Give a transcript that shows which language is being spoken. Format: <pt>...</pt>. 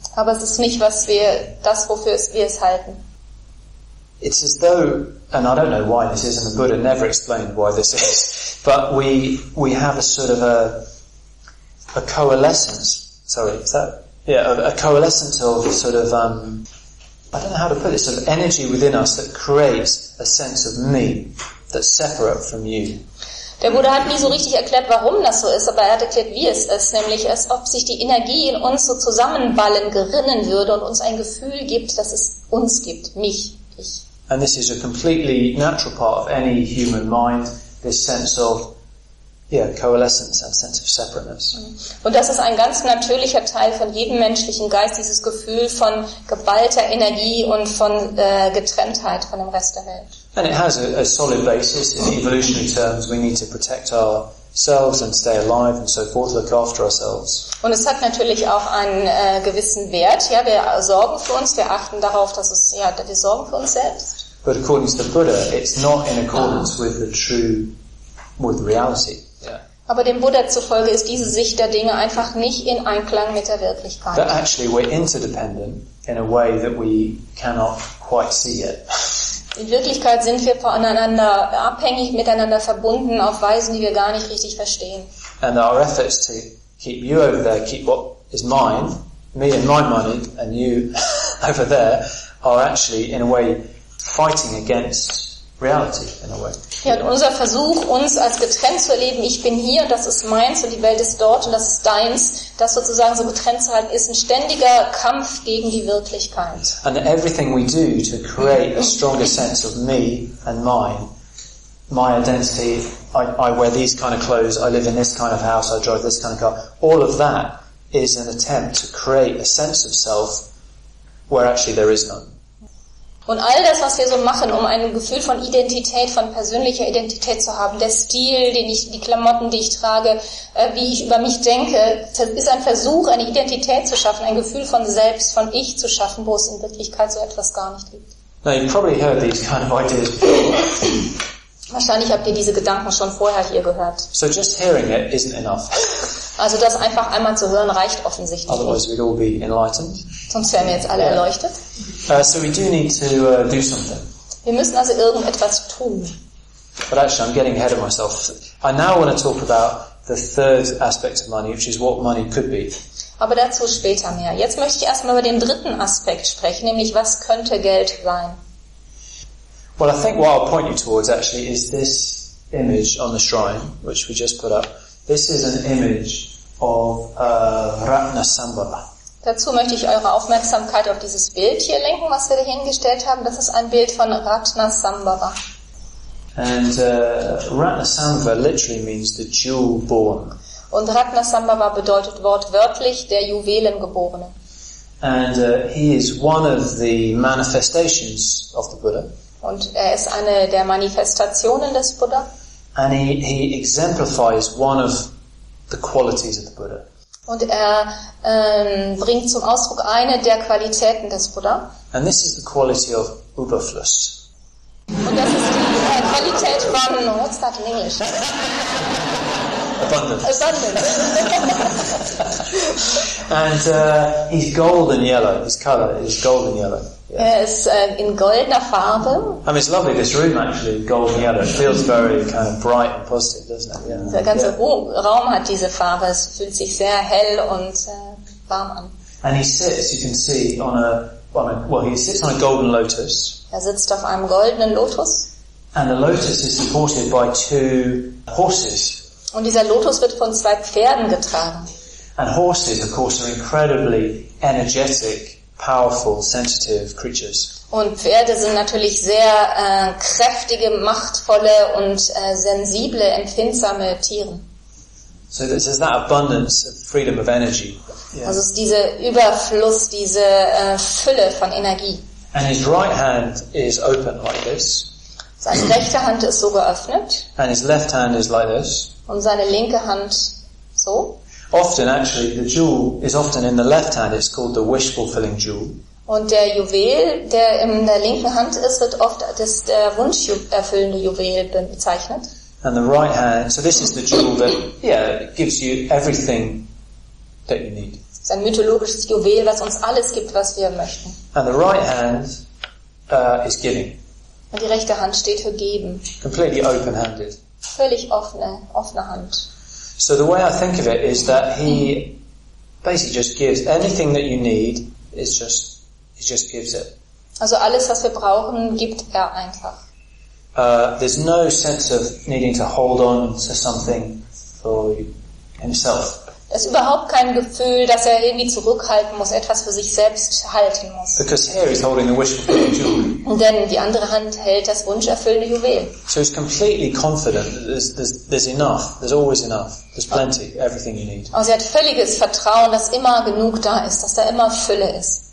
<de>Aber es ist nicht, wofür wir es halten.</de> <en>It's as though, and I don't know why this is, and the Buddha never explained why this is, but we have a sort of a coalescence. Sorry, is that... Yeah, a coalescence of sort of, I don't know how to put it, sort of energy within us that creates a sense of me that's separate from you.</en> <de>Der Buddha hat nie so richtig erklärt, warum das so ist, aber er hat erklärt, wie es ist, nämlich als ob sich die Energie in uns so zusammenballen, gerinnen würde und uns ein Gefühl gibt, dass es uns gibt, mich, ich.</de> <en>And this is a completely natural part of any human mind, this sense of coalescence and sense of separateness.</en> <de>Und das ist ein ganz natürlicher Teil von jedem menschlichen Geist, dieses Gefühl von geballter Energie und von Getrenntheit von dem Rest der Welt.</de> <en>And it has a solid basis in evolutionary terms. We need to protect ourselves and stay alive and so forth, look after ourselves.</en> <de>Und es hat natürlich auch einen gewissen Wert. Ja, wir sorgen für uns, wir achten darauf, dass es wir sorgen für uns selbst.</de> <en>But according to the Buddha, it's not in accordance with the true with reality.</en> <de>Aber dem Buddha zufolge ist diese Sicht der Dinge einfach nicht in Einklang mit der Wirklichkeit.</de> <en>That actually we're interdependent in a way that we cannot quite see it.</en> <de>In Wirklichkeit sind wir voneinander abhängig, miteinander verbunden auf Weisen, die wir gar nicht richtig verstehen.</de> <en>And our efforts to keep you over there, keep what is mine, me and my money, and you over there, are actually in a way fighting against reality in a way.</en> <de>Ja, und unser Versuch, uns als getrennt zu erleben, ich bin hier, das ist meins und die Welt ist dort und das ist deins, das sozusagen so getrennt zu halten, ist ein ständiger Kampf gegen die Wirklichkeit.</de> <en>And everything we do to create a stronger sense of me and mine, my identity, I wear these kind of clothes, I live in this kind of house, I drive this kind of car, all of that is an attempt to create a sense of self where actually there is none.</en> <de>Und all das, was wir so machen, um ein Gefühl von Identität, von persönlicher Identität zu haben, der Stil, die Klamotten, die ich trage, wie ich über mich denke, das ist ein Versuch, eine Identität zu schaffen, ein Gefühl von Selbst, von Ich zu schaffen, wo es in Wirklichkeit so etwas gar nicht gibt.</de> <en>Now you've probably heard these kind of ideas before.</en> <de>Wahrscheinlich habt ihr diese Gedanken schon vorher hier gehört.</de> <en>So just hearing it isn't enough.</en> <de>Also das einfach einmal zu hören reicht offensichtlich.</de> <en>Otherwise we'd all be enlightened.</en> <de>Sonst wären wir jetzt alle erleuchtet.</de> <en>So we do need to do something.</en> <de>Wir müssen also irgendetwas tun.</de> <en>But actually, I'm getting ahead of myself. I now want to talk about the third aspect of money, which is what money could be.</en> <de>Aber dazu später mehr. Jetzt möchte ich erstmal über den dritten Aspekt sprechen, nämlich was könnte Geld sein?</de> <en>Well, I think what I'll point you towards actually is this image on the shrine, which we just put up. This is an image of Ratnasambhava.</en> <de>Dazu möchte ich eure Aufmerksamkeit auf dieses Bild hier lenken, was wir da hingestellt haben. Das ist ein Bild von Ratnasambhava.</de> <en>And Ratnasambhava literally means the jewel born.</en> <de>Und Ratnasambhava bedeutet wortwörtlich der Juwelengeborene.</de> <en>And he is one of the manifestations of the Buddha.</en> <de>Und er ist eine der Manifestationen des Buddha.</de> <en>And he exemplifies one of the qualities of the Buddha.</en> <de>Und er bringt zum Ausdruck eine der Qualitäten des Buddha.</de> <en>And this is the quality of Überfluss.</en> <de>Und das ist die Qualität von,</de> <en>what's that in English? Abundance. Abundance. And he's golden yellow. His color is golden yellow.</en> <de>Yes. Er ist in goldener Farbe.</de> <en>I mean, it's lovely, this room actually, golden yellow. It feels very kind of bright and positive, doesn't it? Yeah.</en> <de>Der ganze Raum hat diese Farbe. Es fühlt sich sehr hell und warm an.</de> <en>And he sits, you can see, on a golden lotus.</en> <de>Er sitzt auf einem goldenen Lotus.</de> <en>And the lotus is supported by two horses.</en> <de>Und dieser Lotus wird von zwei Pferden getragen.</de> <en>And horses, of course, are incredibly energetic, powerful, sensitive creatures.</en> <de>Und Pferde sind natürlich sehr kräftige, machtvolle und sensible, empfindsame Tiere.</de> <en>So this is that abundance of freedom of energy. Yeah.</en> <de>Also es ist dieser Überfluss, diese Fülle von Energie.</de> <en>And his right hand is open like this.</en> <de>Seine rechte Hand ist so geöffnet.</de> <en>And his left hand is like this.</en> <de>Und seine linke Hand so.</de> <en>Often, actually, the jewel is often in the left hand. It's called the wish-fulfilling jewel.</en> <de>Und der Juwel, der in der linken Hand ist, wird oft das der wunscherfüllende Juwel bezeichnet.</de> <en>And the right hand. So this is the jewel that gives you everything that you need.</en> <de>Es ist ein mythologisches Juwel, was uns alles gibt, was wir möchten.</de> <en>And the right hand is giving.</en> <de>Und die rechte Hand steht für geben.</de> <en>Completely open-handed.</en> <de>Völlig offene Hand.</de> <en>So the way I think of it is that he basically just gives anything that you need is just he just gives it.</en> <de>Also alles was wir brauchen gibt einfach.</de> <en>There's no sense of needing to hold on to something for himself.</en> <de>Es überhaupt kein Gefühl, dass irgendwie zurückhalten muss, etwas für sich selbst halten muss.</de> <en>Because here he's holding the wish fulfilling jewel.</en> <de>Denn die andere Hand hält das wunscherfüllende Juwel.</de> <en>So he's completely confident that there's enough, there's always enough, there's plenty, everything you need.</en> <de>Also er hat völliges Vertrauen, dass immer genug da ist, dass da immer Fülle ist.</de>